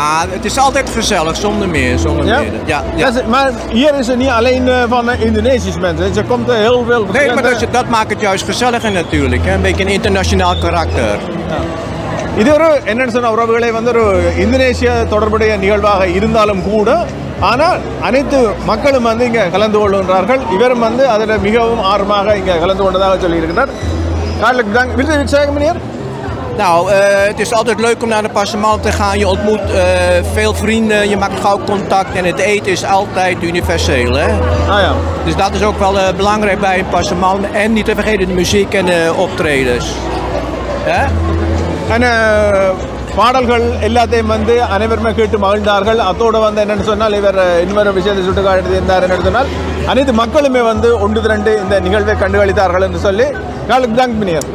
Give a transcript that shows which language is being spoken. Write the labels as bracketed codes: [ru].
[nl] Het is altijd gezellig, zonder meer. Maar hier is het niet alleen van Indonesische mensen, er komt heel veel... Nee, maar dat maakt het juist gezelliger natuurlijk, een beetje een internationaal karakter. [ta] இதொரு என்னென்னு சொன்ன உறவுகளை வந்து ஒரு இந்தோனேஷிய தொடர்புடைய நிகழ்வாக இருந்தாலும் கூட, ஆனால் அனைத்து மக்களும் வந்து இங்கே கலந்து கொள்கின்றார்கள். இவரும் வந்து அதில் மிகவும் ஆர்வமாக இங்கே கலந்து கொண்டதாக சொல்லியிருக்கிறார். [nl] Nou, het is altijd leuk om naar de Passamal te gaan. Je ontmoet veel vrienden, je maakt gauw contact en het eten is altijd universeel, hè? Ah, ja. Dus dat is ook wel belangrijk bij een Passamal. En niet te vergeten de muziek en de optredens. [ta] En பாடல்கள் எல்லாத்தையும் வந்து அனைவருமே கேட்டு மகிழ்ந்தார்கள். அதோடு வந்து என்னென்னு சொன்னால், இவர் இன்னொரு விஷயத்தை சுட்டு காட்டி இருந்தார் என்று சொன்னால், அனைத்து மக்களுமே வந்து ஒன்று திரண்டு இந்த நிகழ்வை கண்டுகளித்தார்கள் என்று சொல்லி நாளுக்கு தாங்க பண்ணியார்.